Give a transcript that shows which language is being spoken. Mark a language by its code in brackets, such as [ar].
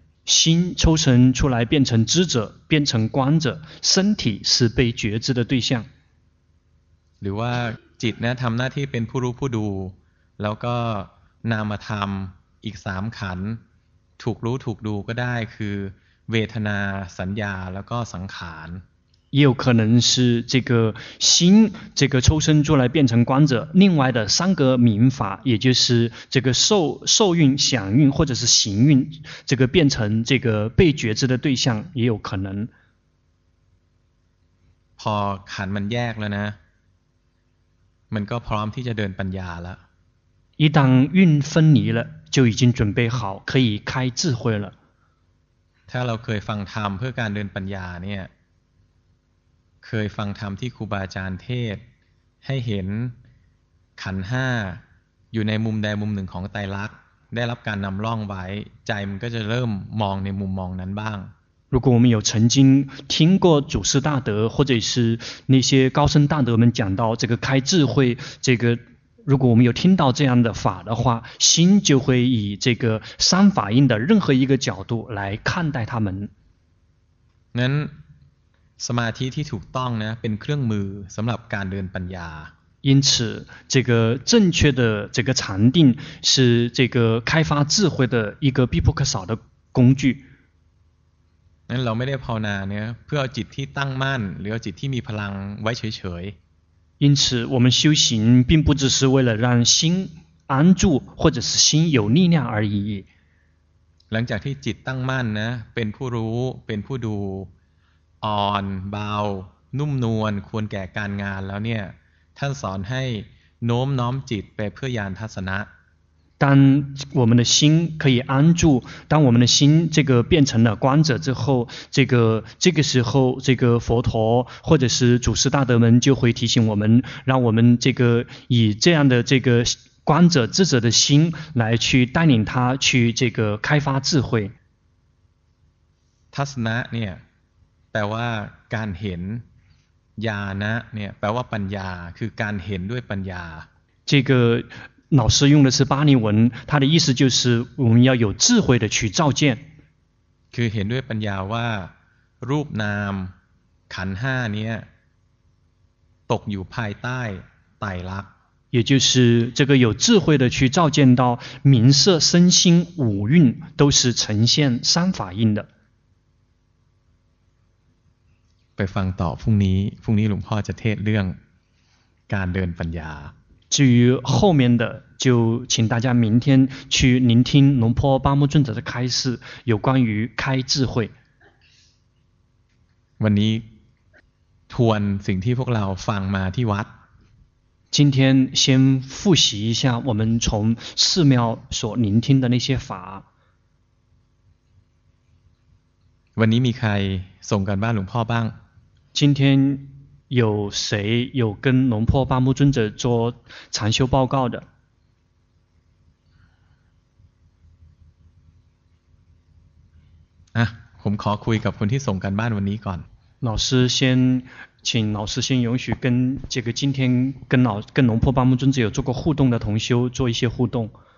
[zh] 心抽身出来变成知者变成观者身体是被觉知的对象 [th] หรือว่าจิตนะทำหน้าที่เป็นผู้รู้ผู้ดูแล้วก็นามธรรมอีก3ขันธ์ถูกรู้ถูกดูก็ได้คือเวทนาสัญญาแล้วก็สังขาร [zh] 也有可能是这个心这个抽身出来变成观者另外的三个明法也就是这个受蕴想蕴或者是行蕴这个变成这个被觉知的对象也有可能 [th] พอขันธ์มันแยกแล้วนะมันก็พร้อมที่จะเดินปัญญาแล้ [zh] ว一旦蕴分离了就已经准备好可以开智慧了 [th] ถ้าเราเคยฟังธรรมเพื่อการเดินปัญญาเนี่ยเคยฟังธรรมที่ครูบาอาจารย์เทศให้เห็นขันธ์5อยู่ในมุมใดมุมหนึ่งของไตรลักษณ์ได้รับการนำร่องไว้ใจมันก็จะเริ่มมองในมุมมองนั้นบ้าง [zh] 如果我们有曾经听过祖师大德或者是那些高僧大德们讲到这个开智慧这个如果我们有听到这样的法的话，心就会以这个三法印的任何一个角度来看待他们。 [th] นั้นสมาธิที่ถูกต้องนะเป็นเครื่องมือสำหรับการเดินปัญญา [zh] 因此这个正确的这个禅定是这个开发智慧的一个必不可少的工具 [th] นั้นเราไม่ได้ภาวนาเนี่ยเพื่อจิตที่ตั้งมั่นหรือจิตที่มีพลังไว้เฉย [zh] ๆ因此我们修行并不只是为了让心安住或者是心有力量而已 [th] หลังจากที่จิตตั้งมั่นนะเป็นผู้รู้เป็นผู้ดูอ่อนเบานุ่มนวลควรแก่การงานแล้วเนี่ยท่านสอนให้โน้มน้อมจิตไปเพื่อญาณทัศนะ [zh] 当我们的心可以安住当我们的心这个变成了观者之后这个时候这个佛陀或者是祖师大德们就会提醒我们让我们这个以这样的这个观者智者的心来去带领他去这个开发智慧 [th] ทัศนะเนี่ยแปลว่าการเห็นญาณะเนี่ยแปลว่าปัญญาคือการเห็นด้วยปัญญา [zh] 这个老师用的是巴利文他的意思就是我们要有智慧的去照见 [th] คือเห็นด้วยปัญญาว่ารูปนามขันธ์ห้าเนี่ยตกอยู่ภายใต้ไตรลักษณ์ [zh] 也就是这个有智慧的去照见到名色身心五蕴都是呈现三法印的 [th] ไปฟังต่อพรุ่งนี้หลวงพ่อจะเทศเรื่องการเดินปัญญา [zh] 至于后面的就请大家明天去聆听龙坡八木尊者的开示有关于开智慧 [th] วันนี้ทวนสิ่งที่พวกเราฟังมาที่วัด [zh] 今天先复习一下我们从寺庙所聆听的那些法 [th] วันนี้มีใครส่งกันบ้านหลวงพ่อบ้าง [zh] 今天有谁有跟龙破八木尊者做禅修报告的？ [th] 啊，ผมขอคุยกับคนที่ส่งกันบ้านวันนี้ก่อน。 [zh] 老师先，请老师先允许跟这个今天跟龙破八木尊者有做过互动的同修做一些互动。